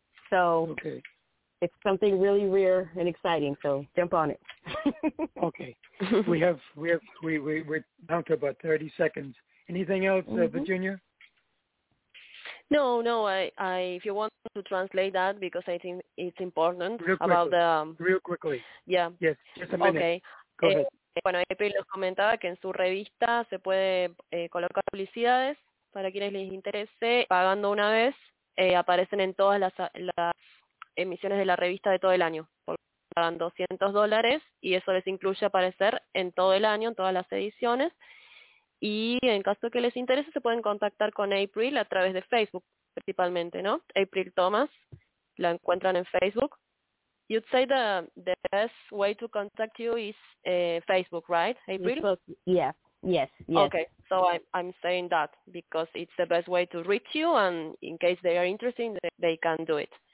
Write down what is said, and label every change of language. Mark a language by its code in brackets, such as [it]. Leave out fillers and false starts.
[en] So it's something really rare and exciting. So jump on it. Okay. We're down to about 30 seconds. Anything else, Virginia? No. I if you want to translate that, because I think it's important. Real quickly. About the real quickly. Yeah. Yes. Just a minute. Okay. Go ahead. [es] Bueno, April nos comentaba que en su revista se puede colocar publicidades para quienes les interese, pagando una vez, aparecen en todas las emisiones de la revista de todo el año. Pagan $200 y eso les incluye aparecer en todo el año, en todas las ediciones. Y en caso que les interese, se pueden contactar con April a través de Facebook, principalmente, ¿no? April Thomas, la encuentran en Facebook. [en] You'd say the best way to contact you is Facebook, right, April? Yes. Okay, so I'm saying that because it's the best way to reach you, and in case they are interested, they can do it.